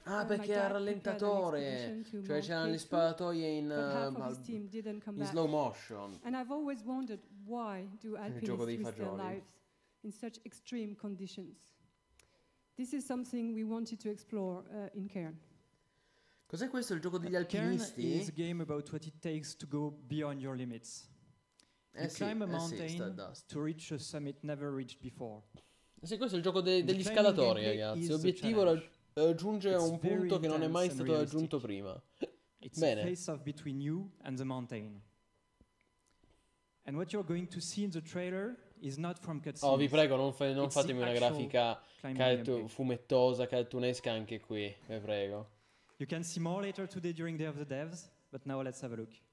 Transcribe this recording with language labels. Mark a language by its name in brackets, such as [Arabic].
[Italian] ah, perché ha il rallentatore, cioè c'erano gli sparatoie in, in slow motion. [English] And I've always wondered why do alpinists risk their lives in such extreme conditions. This is something we wanted to explore in Cairn. [Italian] Cos'è questo, il gioco degli alpinisti? [English] Cairn is a game about what it takes to go beyond your limits. Climb a mountain to reach a summit never reached before. [Italian] Sì, questo è il gioco degli scalatori, ragazzi. L'obiettivo è raggiungere un punto che non è mai stato raggiunto prima. Bene. [English] It's a face-off between you and the mountain. And what you're going to see in the trailer is not from cutscenes. [Italian] Oh, vi prego, non fatemi una grafica fumettosa, cartunesca anche qui, vi prego. [English] You can see more later today during Day of the Devs, but now let's have a look.